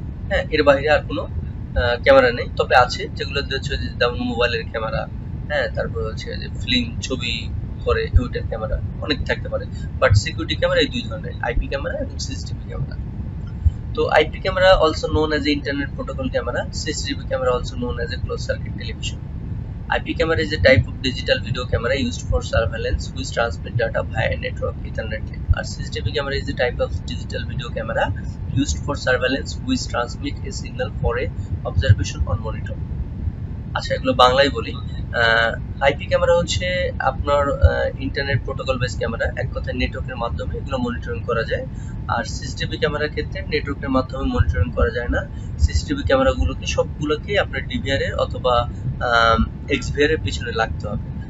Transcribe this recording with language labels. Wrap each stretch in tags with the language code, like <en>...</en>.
<bn>হ্যাঁ, এর বাইরে আর কোনো ক্যামেরা নেই, তবে আছে যেগুলো হচ্ছে যেমন মোবাইলের ক্যামেরা, হ্যাঁ তারপর হচ্ছে যে ফিল্ম ছবি করে ওইটার ক্যামেরা অনেক থাকতে পারে, বাট সিকিউরিটি ক্যামেরা এই দুই ধরনের, আইপি ক্যামেরা এবং সিসিটিভি ক্যামেরা।</bn> <en>তো IP camera also known as a internet protocol camera, CCTV camera also known as a close circuit television. IP camera is a type of digital video camera used for surveillance which transmit data via network Ethernet. Our CCTV camera is a type of digital video camera used for surveillance which transmit a signal for a observation on monitor.</en> <bn>আচ্ছা, এগুলো বাংলায় বলি। IP camera হচ্ছে আপনার internet protocol base camera, এক কথায় নেটওয়ার্কের মাধ্যমে এগুলো মনিটরিং করা যায়। আর CCTV ক্যামেরার ক্ষেত্রে নেটওয়ার্কের মাধ্যমে মনিটরিং করা যায় না, CCTV ক্যামেরাগুলোকে সবগুলোকে আপনার DVR এ অথবা এক্সভিআর এর পিছনে লাগতে হবে,</bn>